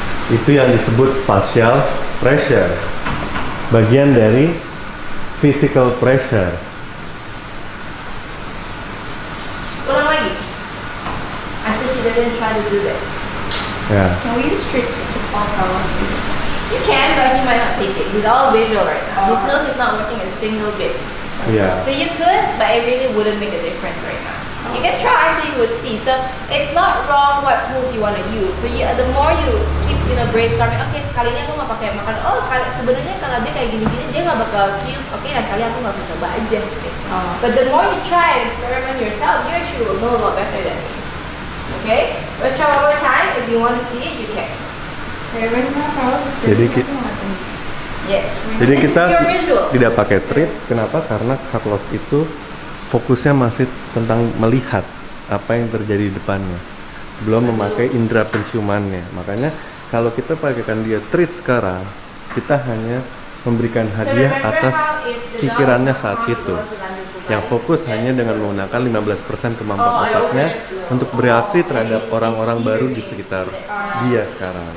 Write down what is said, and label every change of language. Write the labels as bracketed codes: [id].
[id] Itu yang disebut spatial pressure, bagian dari physical pressure. Ulang lagi. [en] I said she didn't try to do that. Yeah. Can we use tricks to pump our muscles? You can, but he might not take it. He's all visual right now. His nose is not working a single bit. Yeah. So you could, but it really wouldn't make a difference right now. You can try so you would see. So it's not wrong what tools you want to use. So you, the more you keep, you know, brainstorming, [id] okay, kali ini aku nggak pakai makan. Oh, kali sebenarnya kalau dia kayak gini-gini dia nggak bakal cium. Okay, nah kali aku nggak usah coba aja. [en] But the more you try and experiment yourself, you actually will know a lot better than me. Okay, we'll try one more time. If you want to see it, you can. [id] Jadi kita. [en] Yes. [id] Jadi kita tidak pakai trik. Kenapa? Karena cut loss itu fokusnya masih tentang melihat apa yang terjadi di depannya, belum memakai indera penciumannya. Makanya kalau kita pakaikan dia treat sekarang, kita hanya memberikan hadiah atas pikirannya saat itu, yang fokus hanya dengan menggunakan 15% kemampuan otaknya untuk bereaksi terhadap orang-orang baru di sekitar dia sekarang.